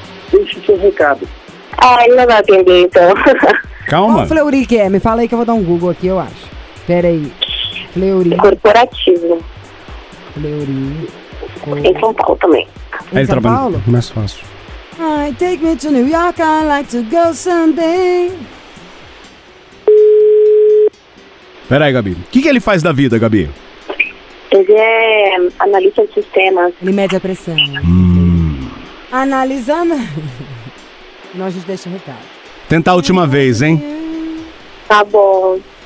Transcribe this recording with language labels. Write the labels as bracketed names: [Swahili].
[Portuguese] Deixa o seu recado. Ah, ele não vai atender, então. Calma. Qual Flori que é? Me fala aí que eu vou dar um Google aqui, eu acho. Pera aí. Flori. Corporativo. Flori. Em São Paulo também. Ele trabalha em São Paulo? Mais fácil. [English] I take me to New York, I like to go someday. [Portuguese] Peraí, Gabi. O que, que ele faz da vida, Gabi? Ele é analista de sistemas. Ele mede a pressão. Analisando. Não, a gente deixa o recado. Tentar a última vez, hein? Tá bom.